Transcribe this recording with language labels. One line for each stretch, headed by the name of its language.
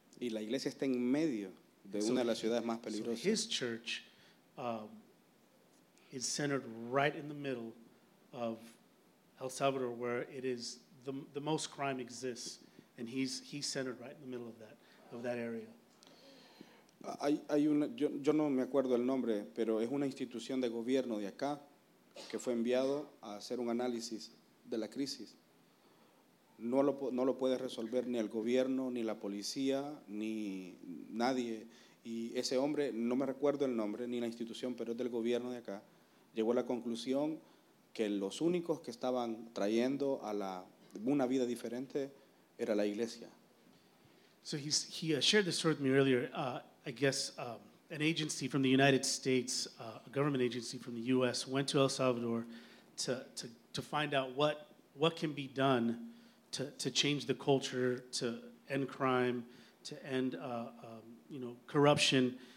Spanish: Y la iglesia está en medio de una de las ciudades más peligrosas.
English: So his church is centered right in the middle of El Salvador, where it is the most crime exists, and he's centered right in the middle of that area.
Spanish: Hay una, yo no me acuerdo el nombre, pero es una institución de gobierno de acá que fue enviado a hacer un análisis de la crisis. No lo puede resolver ni el gobierno, ni la policía, ni nadie. Y ese hombre, no me recuerdo el nombre ni la institución, pero es del gobierno de acá, llegó a la conclusión que los únicos que estaban trayendo a una vida diferente era la iglesia.
English: So he shared this story with me earlier. I guess an agency from the United States, a government agency from the U.S., went to El Salvador to find out what can be done to change the culture, to end crime, to end corruption.